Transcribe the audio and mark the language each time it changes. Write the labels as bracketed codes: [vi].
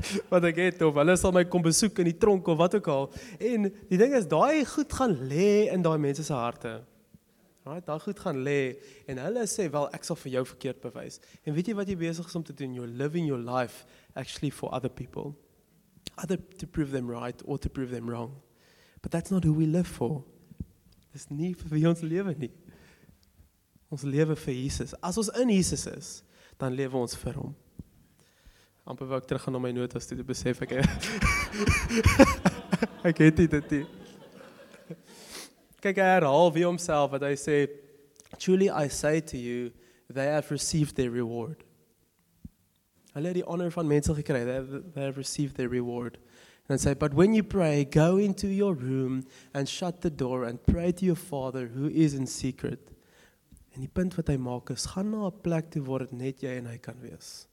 [af] Wat ek het, of hulle sal my kom besoek in die tronk, of wat ook al. En die ding is, daai goed gaan lê in daai mense se harte. Daai goed gaan lê, en hulle sê, wel, ek sal vir jou verkeerd bewys. En weet jy wat jy besig is om te doen? [en] You're living your life actually for other people. Either to prove them right, or to prove them wrong. But that's not who we live for. [af] Dis nie vir wie ons leven nie. Ons leven vir Jesus. As ons in Jesus is, dan leven ons vir hom. Amper wil ek terug gaan na my notas toe, besef ek. Ek het dit nie. Kyk, hy herhaal wie homself, wat hy sê, [en] truly I say to you, they have received their reward. [af] Hulle het die honor van mense gekry, [en] they have received their reward. [af] En hy sê, [en] but when you pray, go into your room and shut the door and pray to your father who is in secret. [af] En die punt wat hy maak is, gaan na een plek toe waar het net jy en hy kan wees.